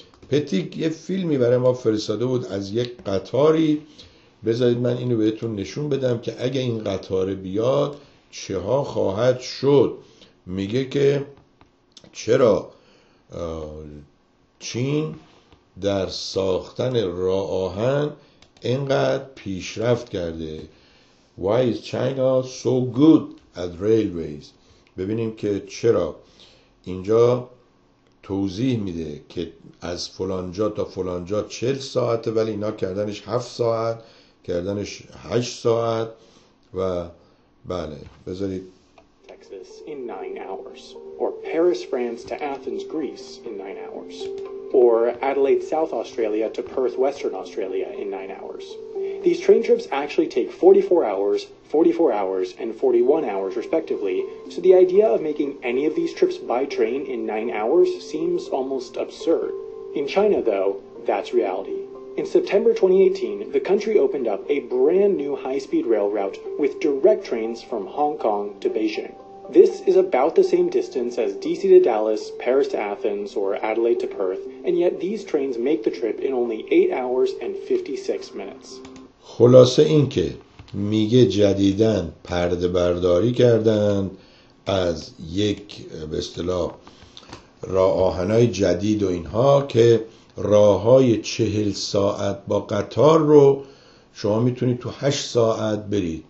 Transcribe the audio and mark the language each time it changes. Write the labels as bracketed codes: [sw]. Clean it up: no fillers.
[fa] پتیک یه فیلمی برای ما فرستاده بود از یک قطاری، بذارید من اینو بهتون نشون بدم که اگه این قطار بیاد چه ها خواهد شد. میگه که چرا چین در ساختن راه آهن اینقدر پیشرفت کرده. [en] Why is China so good at railways؟ [fa] ببینیم که چرا. اینجا توضیح میده که از فلانجا تا فلانجا 40 ساعته، ولی اینا کردنش 7 ساعت، کردنش 8 ساعت و بله بذارید. [en] Texas in 9 hours or Paris France to Athens Greece in 9 hours or Adelaide South Australia to Perth Western Australia in 9 hours. These train trips actually take 44 hours, 44 hours, and 41 hours respectively, so the idea of making any of these trips by train in 9 hours seems almost absurd. In China, though, that's reality. In September 2018, the country opened up a brand new high-speed rail route with direct trains from Hong Kong to Beijing. This is about the same distance as DC to Dallas, Paris to Athens, or Adelaide to Perth, and yet these trains make the trip in only 8 hours and 56 minutes. [fa] خلاصه این که میگه جدیدن پرده برداری کردن از یک به اصطلاح راه آهنای جدید و اینها که راههای 40 ساعت با قطار رو شما میتونید تو 8 ساعت برید.